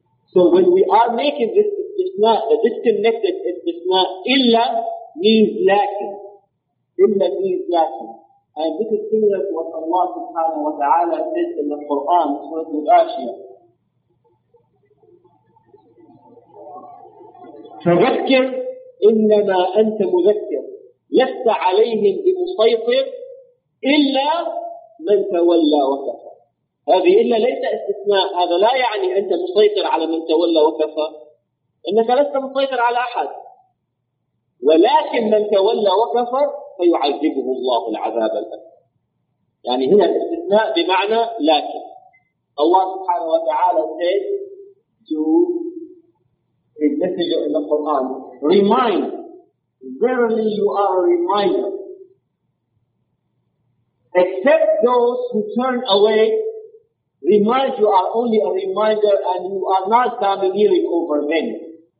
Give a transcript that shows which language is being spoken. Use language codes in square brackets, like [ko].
[en] So when we are making this istithna, the disconnected istithna, illa means lacking. Illa means lacking. And this is similar to what Allah subhanahu wa ta'ala said in the Quran, Surah Al-Ashiya. [ar] فذكر إنما أنت مذكر لست عليهم بمسيطر إلا من تولى وكفى. هذه إلا ليس استثناء، هذا لا يعني أنت مسيطر على من تولى وكفى، إنك لست مسيطر على أحد، ولكن من تولى وكفى فيعذبه الله العذاب الأكبر. يعني هنا الاستثناء بمعنى لكن. الله سبحانه وتعالى [en] said to his messenger in the Quran, remind, verily you are a reminder. except those who turn away remind you are only a reminder and you are not domineering over men.